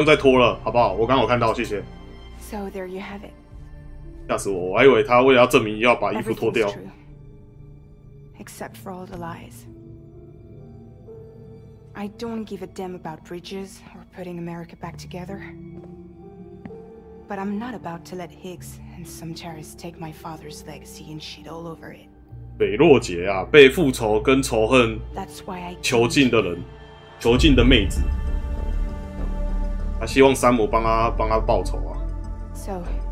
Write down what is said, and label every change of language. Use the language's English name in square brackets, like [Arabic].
[Chinese] 对啊，我刚有看到，你不用再拖了，好不好？我刚有看到，谢谢。 [English] So there you have it. [Chinese] 吓死我，我还以为他为了要证明要把衣服脱掉。 [English] Except for all the lies. I don't give a damn about bridges or putting America back together. But I'm not about to let Higgs and some terrorists take my father's legacy and shit all over it. [Chinese] 北洛杰啊，被复仇跟仇恨囚禁的人，囚禁的妹子，他希望山姆帮他报仇啊。 [English] So,